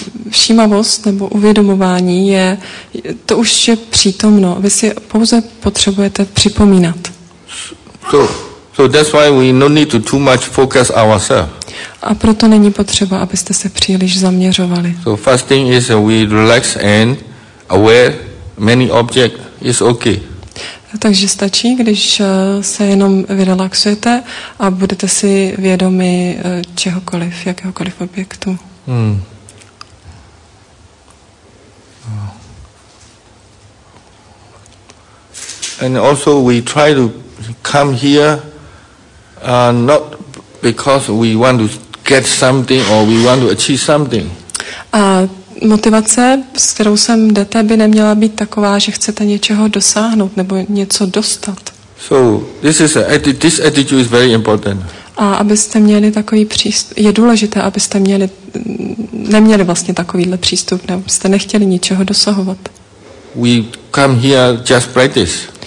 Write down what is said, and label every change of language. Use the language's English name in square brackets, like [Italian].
[Czech] Všímavost nebo uvědomování je, to už je přítomno. Vy si pouze potřebujete připomínat. [English] So that's why we no need to too much focus ourselves. [Czech] A proto není potřeba, abyste se příliš zaměřovali. [English] So fasting is we relax and aware many object is okay. [Czech] Takže stačí, když se jenom vyrelaxujete a budete si vědomi čehokoliv, jakéhokoliv objektu. [English] And also we try to come here not because we want to get something or we want to achieve something. [Czech] A motivace, s kterou sem jdete, by neměla být taková, že chcete něčeho dosáhnout nebo něco dostat. [English] So this is this attitude is very important. [Czech] A abyste měli takový přístup, je důležité, abyste měli, neměli vlastně takovýhle přístup, nebo abyste nechtěli ničeho dosahovat. [English] We come here just practice.